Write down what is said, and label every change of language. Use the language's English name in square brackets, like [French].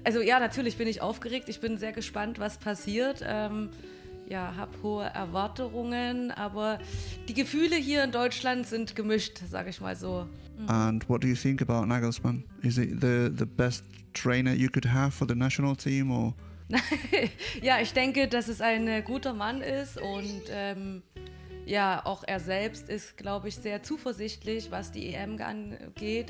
[German] Also ja, natürlich bin ich aufgeregt. Ich bin sehr gespannt, was passiert. Ja, hab hohe Erwartungen, aber die Gefühle hier in Deutschland sind gemischt, sage ich mal so. [English] And what do you think about Nagelsmann? Is it the best trainer you could have for the national team or? [German] Ja, ich denke, dass es ein guter Mann ist und ja, auch er selbst ist, glaube ich, sehr zuversichtlich, was die EM angeht.